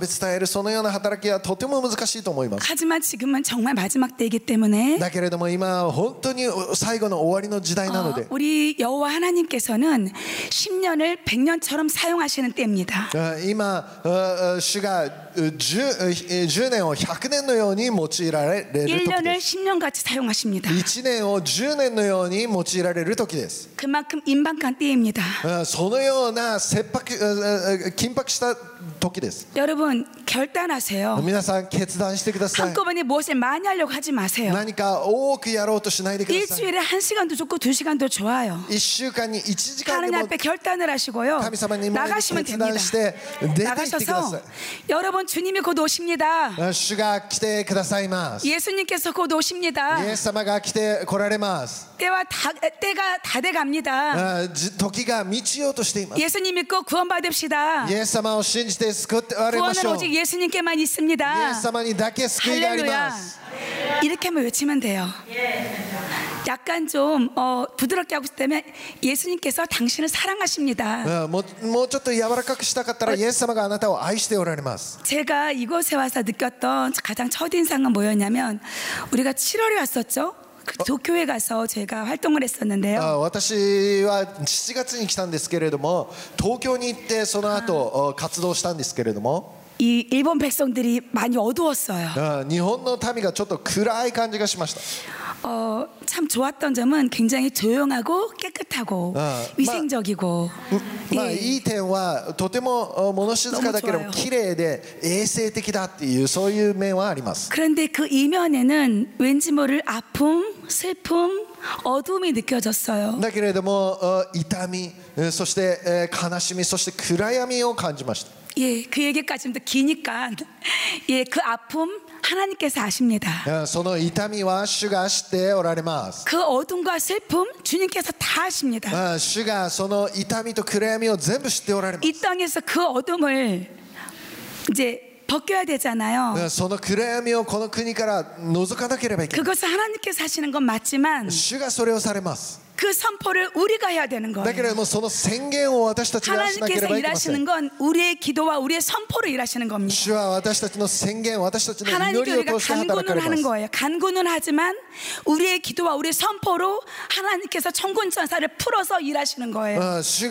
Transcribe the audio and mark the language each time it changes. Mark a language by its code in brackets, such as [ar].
[ja] 本当に日本でそのように主を述べ伝えるそのような働きはとても難しいと思います. [ko] 하지만 지금은 정말 마지막 때이기 때문에 [ja] だけれども今本当に最後の終わりの時代なので [ko] 우리 여호와 하나님께서는 10년을 100년처럼 사용하시는 때입니다. [ja] 今主が 10年を100年のように用いられる時です. [ko] 1년을 10년같이 사용하십니다. [ja] 1年を10年のように用いられる時です. [ko] 그만큼 임박한 때입니다. [ja] そのような切迫した時です. [ko] 여러분 결단하세요. [ja] 皆さん決断してください. [ko] 한꺼번에 무엇을 많이 하려고 하지 마세요. [ja] 何か多くやろうとしないでください. [ko] 일주일에 1시간도 좋고 2시간도 좋아요. [ja] 1週間に1時間でも [ko] 하나님 앞에 결단을 하시고요. 나가시면 됩니다. 나가셔서 여러분 주님이 곧 오십니다. [ja] 주가 来てくださいます. [ko] 예수님께서 곧 오십니다. [ja] 예수様が 来てこられます. [ko] 때가 다 돼갑니다. [ja] 時が 満ちようとしています. [ko] 예수님 믿고 구원받읍시다. [ja] 예수様を 信じて 救われましょう. [ko] 구원은 오직 예수님께만 있습니다. [ja] 예수様にだけ 救いがあります. [ko] 할렐루야. 이렇게 한번 외치면 돼요. 약간 좀 부드럽게 하고 싶다면 예수님께서 당신을 사랑하십니다. 뭐좀더 [ja] やわらかくしたかったら 예수様が あなたを 愛しておられます. [ko] 제가 이곳에 와서 느꼈던 가장 첫인상은 뭐였냐면 우리가 7월에 왔었죠? 도쿄에 가서 제가 활동을 했었는데요. [ja] 私は7月に来たんですけれども [ko] 도쿄에 [ja] 行って その後 活動したんですけれども [ko] 이 일본 백성들이 많이 어두웠어요. 일본의 [ja] 民がちょっと暗い感じがしました. [ko] 어, 참 좋았던 점은 굉장히 조용하고 깨끗하고 위생적이고. 예. 이 점은 [ja] とても物静かだけども綺麗で衛生的だっていうそういう面はあります。 [ko] 그런데 그 이면에는 왠지 모를 아픔, 슬픔, 어둠이 느껴졌어요. [ja] だけれども痛み、そして悲しみ、そして暗闇を感じました。 [ko] 예, 그 얘기까지도 기니까 예, 그 아픔 하나님께서 아십니다. [ja] 그痛みは主が知っておられます。 [ko] 그 어둠과 슬픔 주님께서 다 아십니다. [ja] 主がその痛みと暗闇を全部知っておられます。 [ko] 이 땅에서 그 어둠을 이제 벗겨야 되잖아요. [ja] 그その暗闇をこの国から除かなければいけない。 [ko] 그것을 하나님께서 하시는 건 맞지만 [ja] 主がそれをされます。 [ko] 그 선포를 우리가 해야 되는 거예요. 하나님께서 일하시는 건 우리의 기도와 우리의 선포를 일하시는 겁니다. 하나님께서 간구는 하는 거예요. 간구는 하지만 우리의 기도와 우리의 선포로 하나님께서 천군 천사를 풀어서 일하시는 거예요.